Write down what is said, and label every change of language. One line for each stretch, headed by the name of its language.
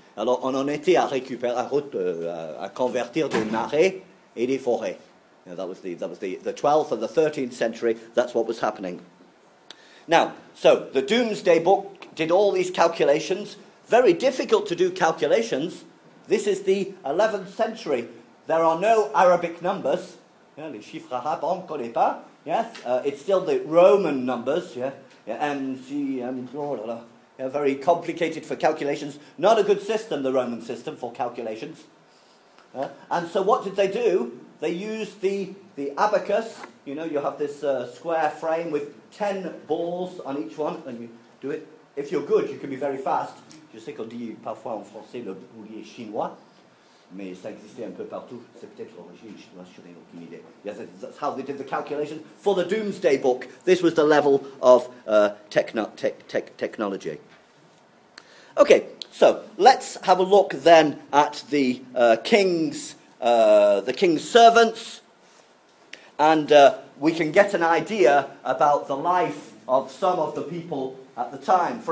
French: Alors, on en était à récupérer, à convertir des marais et des forêts.
English: Now, that was the 12th and the 13th century. That's what was happening. Now, so, the Doomsday Book did all these calculations. Very difficult to do calculations. This is the 11th century. There are no Arabic numbers.
French: Yeah, les chiffres arabes, on ne connaît pas.
English: Yes, it's still the Roman numbers. Yeah, M, C, M, blah, blah, blah. Yeah, very complicated for calculations. Not a good system, the Roman system, for calculations. And so what did they do? They used the abacus. You know, you have this square frame with 10 balls on each one. And you do it. If you're good, you can be very fast.
French: Je sais qu'on dit parfois en français le boulier chinois. Mais ça existait un peu partout. C'est peut-être l'origine chinoise, je n'ai aucune idée.
English: Yes, that's how they did the calculation for the Doomsday Book. This was the level of technology. Okay, so let's have a look then at the king's servants, and we can get an idea about the life of some of the people at the time.